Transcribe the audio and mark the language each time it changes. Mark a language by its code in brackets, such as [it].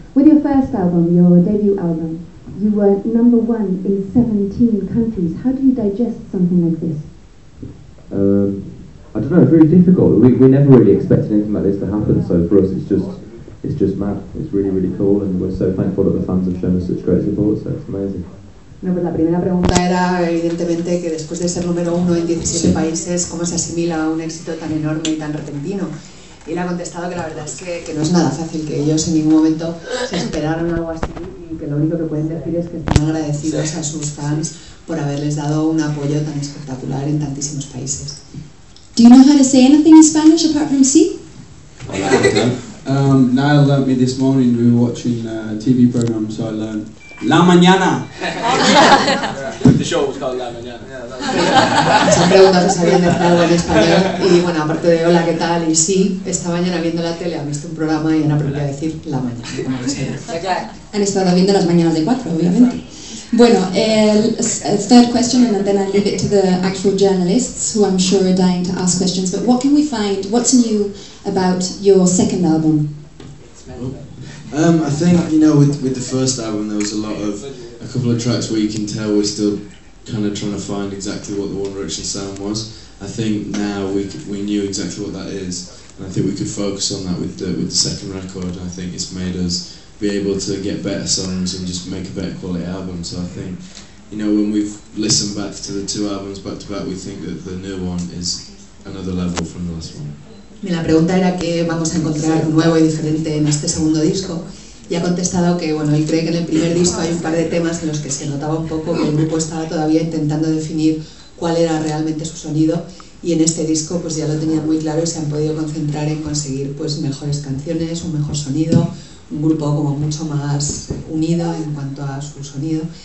[en] With your first album, your debut album, you were number one in 17 countries. How do you digest something like this? I don't know, very difficult. We never really expected anything like this to happen, so for us it's just mad. It's really, really cool, and we're so thankful that the fans have shown us such great support, so it's amazing. [es] No, pues la primera pregunta era, evidentemente, que después de ser número uno en 17 países, ¿cómo se asimila un éxito tan enorme y tan repentino? Y él ha contestado que la verdad es que no es nada fácil, que ellos en ningún momento se esperaron algo así y que lo único que pueden decir es que están agradecidos a sus fans por haberles dado un apoyo tan espectacular en tantísimos países. [en] Do you know how to say anything in Spanish apart from sí? Niall learned me this morning, we were watching a TV program, so I learned La Mañana. The show was called La Mañana. [es] Se han preguntado si habían estado en español y bueno, aparte de hola, ¿qué tal? Y sí, esta mañana viendo la tele han visto un programa y han aprendido a decir La Mañana. Han estado viendo las mañanas de 4, obviamente. [en] Bueno, third question, and then I leave it to the actual journalists, who I'm sure are dying to ask questions. But what can we find? What's new about your second album? I think, you know, with the first album, there was a couple of tracks where you can tell we're still kind of trying to find exactly what the One Direction sound was. I think now we knew exactly what that is, and I think we could focus on that with the second record. I think it's made us be able to get better songs and just make a better quality album. So I think, you know, when we've listened back to the two albums back to back, we think that the new one is another level from the last one. [es] Y la pregunta era qué vamos a encontrar nuevo y diferente en este segundo disco. Y ha contestado que, bueno, él cree que en el primer disco hay un par de temas en los que se notaba un poco que el grupo estaba todavía intentando definir cuál era realmente su sonido. Y en este disco pues ya lo tenían muy claro y se han podido concentrar en conseguir pues mejores canciones, un mejor sonido, un grupo como mucho más unido en cuanto a su sonido.